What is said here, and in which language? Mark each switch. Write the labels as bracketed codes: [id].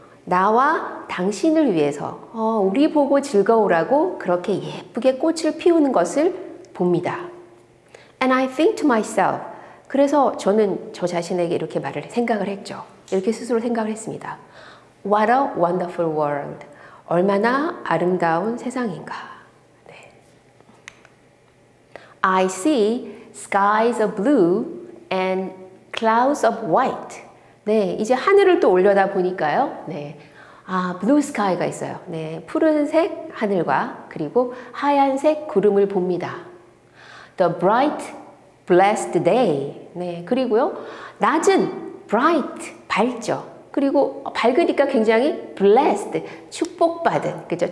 [ko] 나와 당신을 위해서 우리 보고 즐거우라고 그렇게 예쁘게 꽃을 피우는 것을 봅니다. [en] And I think to myself. [ko] 그래서 저는 저 자신에게 이렇게 말을 생각을 했죠. 이렇게 스스로 생각을 했습니다. [en] What a wonderful world. [ko] 얼마나 아름다운 세상인가. 네. [en] I see skies of blue and clouds of white. [ko] 네, 이제 하늘을 또 올려다 보니까요. 네. 아, 블루 스카이가 있어요. 네, 푸른색 하늘과 그리고 하얀색 구름을 봅니다. [en] The bright, blessed day. [ko] 네, 그리고요. 낮은 bright, 밝죠. 그리고 밝으니까 굉장히 blessed, 축복받은. 그죠?